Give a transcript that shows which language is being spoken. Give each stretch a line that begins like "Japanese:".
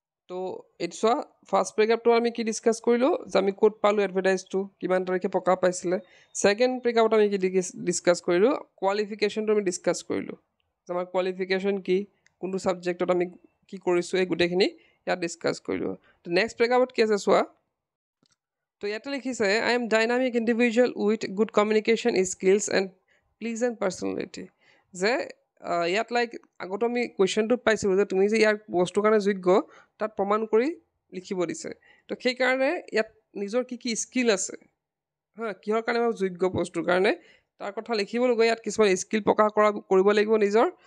Assamese: তো এইটো চোৱা, ফাৰ্ষ্ট পেকআপটো আমি কি ডিছকাছ কৰিলোঁ, যে আমি ক'ত পালোঁ এডভাৰটাইজটো, কিমান তাৰিখে প্ৰকাশ পাইছিলে। ছেকেণ্ড পেকআপত আমি কি ডিছকাছ কৰিলোঁ, কোৱালিফিকেশ্যনটো আমি ডিছকাছ কৰিলোঁ, যে আমাৰ কোৱালিফিকেশ্যন কি, কোনটো ছাবজেক্টত আমি কি কৰিছোঁ, এই গোটেইখিনি ইয়াত ডিছকাছ কৰিলোঁ। তো নেক্সট পেকআপত কি আছে চোৱা, তো ইয়াতে লিখিছে
English: I am dynamic individual with good communication skills and pleasant personality,
Assamese: যে ইয়াত লাইক আগতে আমি কুৱেশ্যনটোত পাইছিলোঁ যে তুমি যে ইয়াৰ বস্তুৰ কাৰণে যোগ্য তাত প্ৰমাণ কৰি লিখিব দিছে, তো সেইকাৰণে ইয়াত নিজৰ কি কি স্কিল আছে, হা কিহৰ কাৰণে যোগ্য বস্তুৰ কাৰণে তাৰ কথা লিখিবলৈ ইয়াত কিছুমান স্কিল প্ৰকাশ কৰা কৰিব লাগিব নিজৰ।